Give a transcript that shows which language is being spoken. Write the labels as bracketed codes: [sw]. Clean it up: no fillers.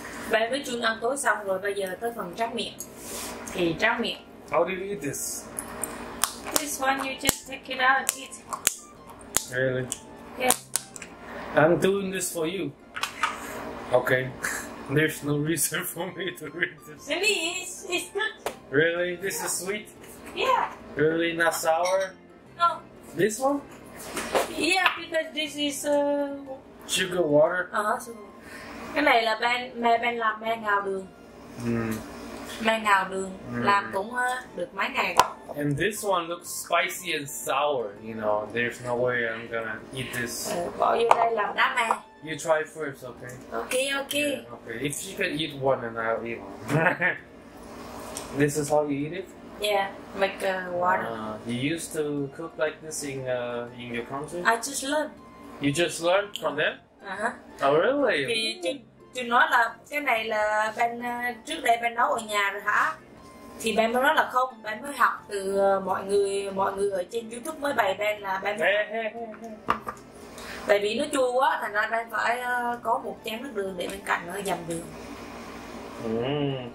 [vi] Bạn với Trung ăn tối xong rồi, bây giờ tới phần tráng miệng. Thì tráng miệng. [en] How did you eat this? This one, you just take it out and eat. Really? Yeah. I'm doing this for you. Okay. There's no reason for me to read this. Maybe it's good. Really? This is sweet? Yeah. Really not sour? No. This one? Yeah, because this is sugar water. [vi] Cái này là bên làm mè ngào đường. Mè ngào đường làm cũng được mấy ngày. [en] And this one looks spicy and sour, you know, there's no way I'm gonna eat this. [vi] Bỏ vô đây làm đá mè. [en] You try first, okay? Okay. Yeah, okay, if you can eat one, then I'll eat one. This is how you eat it? Yeah, make water. You used to cook like this in your country? I just learned. You just learned from them? Uh-huh. Oh, really? [vi] Chứ nói là cái này là bên trước đây bên nấu ở nhà rồi hả? Thì bạn mới nói là không, bạn mới học từ mọi người ở trên YouTube mới bày bạn là bạn mới tại vì nó chua quá, thành ra bạn phải có một chén nước đường để bên cạnh nó dầm đường.